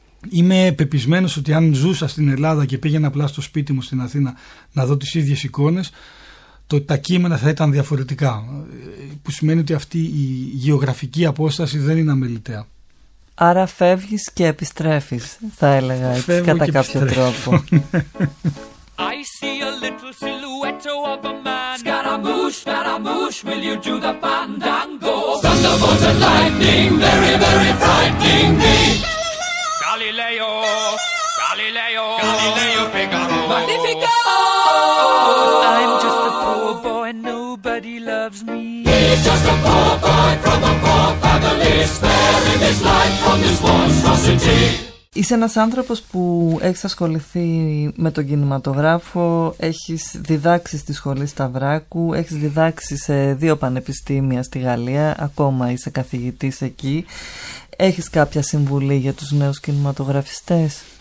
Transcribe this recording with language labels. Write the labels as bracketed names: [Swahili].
[Greek] Είμαι πεπισμένος ότι αν ζούσα στην Ελλάδα και πήγαινα απλά στο σπίτι μου στην Αθήνα να δω τις ίδιες εικόνες, τα κείμενα θα ήταν διαφορετικά, που σημαίνει ότι αυτή η γεωγραφική απόσταση δεν είναι αμεληταία. Άρα φεύγεις και επιστρέφεις, θα έλεγα, έτσι, κατά κάποιο τρόπο. [English] I see a little silhouette of a man. Scaramouche, Scaramouche, will you do the fandango? Thunderbolt and lightning, very, very frightening me. Galileo, Galileo, Galileo, Galileo Figaro. Magnifico! I'm just a poor boy and nobody loves me. He's just a poor boy from a poor family, sparing his life from this monstrosity. [Greek] Είσαι ένας άνθρωπος που έχεις ασχοληθεί με τον κινηματογράφο, έχεις διδάξει στη σχολή Σταυράκου, έχεις διδάξει σε δύο πανεπιστήμια στη Γαλλία, ακόμα είσαι καθηγητής εκεί. Έχεις κάποια συμβουλή για τους νέους κινηματογραφιστές?